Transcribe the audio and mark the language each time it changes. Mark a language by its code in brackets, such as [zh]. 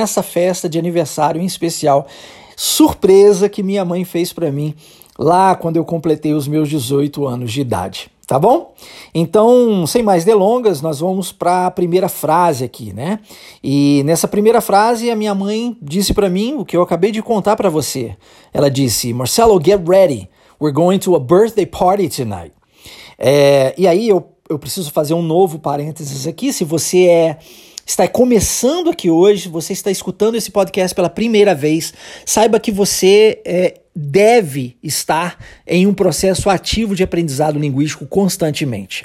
[pt] Essa festa de aniversário em especial, surpresa que minha mãe fez para mim lá quando eu completei os meus 18 anos de idade, tá bom? Então, sem mais delongas, nós vamos para a primeira frase aqui, né? E nessa primeira frase, a minha mãe disse para mim o que eu acabei de contar para você. Ela disse, Marcelo, [en] get ready. We're going to a birthday party tonight. [pt] E aí, eu preciso fazer um novo parênteses aqui. Se você está começando aqui hoje, você está escutando esse podcast pela primeira vez, saiba que você deve estar em um processo ativo de aprendizado linguístico constantemente.